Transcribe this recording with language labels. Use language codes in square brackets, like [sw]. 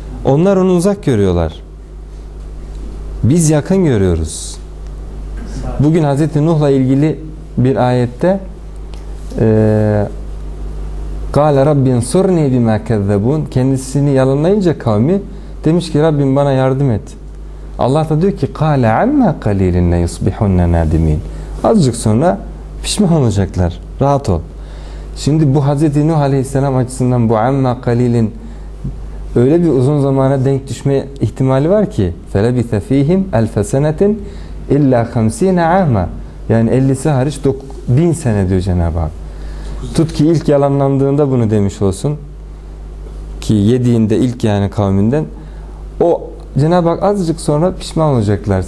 [tr] Onlar onu uzak görüyorlar. Biz yakın görüyoruz. Bugün Hazreti Nuh'la ilgili bir ayette [ar] قال ربي انصرني بما كذبون. [tr] Kendisini yalanlayınca kavmi demiş ki Rabbim bana yardım et. Allah da diyor ki [ar] قال عما قليل لن يصبحن نادمين. [tr] Azıcık sonra pişman olacaklar. Rahat ol. Şimdi bu Hazreti Nuh Aleyhisselam açısından bu amma kalilin öyle bir uzun zamana denk düşme ihtimali var ki [ar] فَلَبِثَ ف۪يهِمْ أَلْفَ سَنَةٍ اِلَّا خَمْس۪ينَ عَامًا. [tr] Yani 50'si hariç 1000 sene diyor Cenab-ı Hak. Tut ki ilk yalanlandığında bunu demiş olsun ki yediğinde ilk yani kavminden, o Cenab-ı Hak azıcık sonra pişman olacaklar.